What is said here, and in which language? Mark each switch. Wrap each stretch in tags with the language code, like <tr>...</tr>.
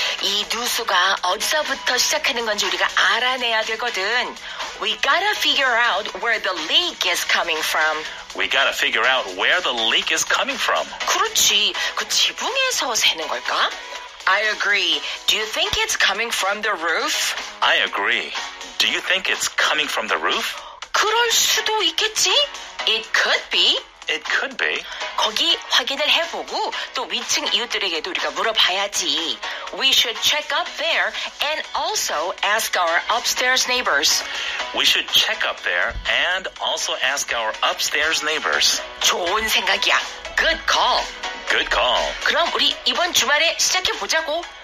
<ko>이 누수가 어디서부터 시작하는 건지 우리가 알아내야 되거든.</ko> <en>We gotta figure out where the leak is coming from. We gotta figure out where the leak is coming from.</en> <ko>그렇지. 그 지붕에서 새는 걸까?</ko> <en>I agree. Do you think it's coming from the roof? I agree. Do you think it's coming from the roof?</en> <ko>그럴 수도 있겠지.</ko> <en>It could be. It could be.</en> <ko>거기 확인을 해보고 또 위층 이웃들에게도 우리가 물어봐야지.</ko> <en>We should check up there and also ask our upstairs neighbors. We should check up there and also ask our upstairs neighbors.</en> <ko>좋은 생각이야.</ko> <en>Good call. Good call.</en> <ko>그럼 우리 이번 주말에 시작해 보자고.</ko>